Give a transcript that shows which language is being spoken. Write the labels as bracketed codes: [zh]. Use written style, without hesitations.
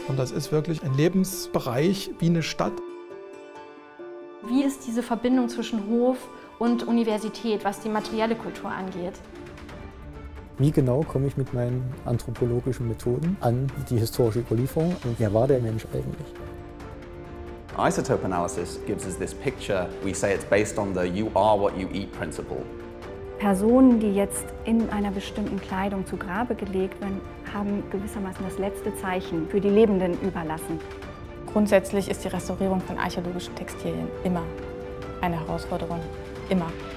[de] Und das ist wirklich ein Lebensbereich wie eine Stadt. Wie ist diese Verbindung zwischen Hof und Universität, was die materielle Kultur angeht? Wie genau komme ich mit meinen anthropologischen Methoden an die historische Überlieferung? Und wer war der Mensch eigentlich? [en] Isotope analysis gives us this picture. We say it's based on the you are what you eat principle. [de] Personen, die jetzt in einer bestimmten Kleidung zu Grabe gelegt werden, haben gewissermaßen das letzte Zeichen für die Lebenden überlassen. Grundsätzlich ist die Restaurierung von archäologischen Textilien immer eine Herausforderung. Immer.